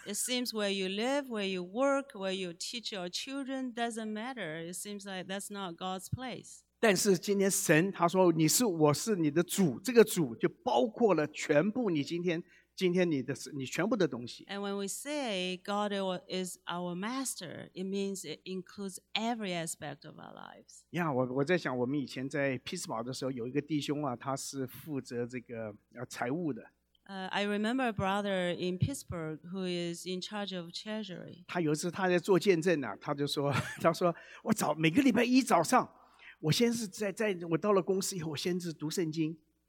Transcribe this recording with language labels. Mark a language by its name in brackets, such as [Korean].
[English] It seems where you live, where you work, where you teach your children doesn't matter. It seems like that's not God's place. [Chinese] 但是今天神他说你是我是你的主，这个主就包括了全部你今天你全部的东西。 [English] And when we say God is our master, it means it includes every aspect of our lives. [Chinese] Yeah, 我在想，我们以前在匹兹堡的时候，有一个弟兄啊，他是负责这个财务的。 [English] I remember a brother in Pittsburgh who is in charge of treasury. [Chinese] 他有一次他在做见证呢、啊，他说我早每个礼拜一早上，我先是在我到了公司以后，我先是读圣经。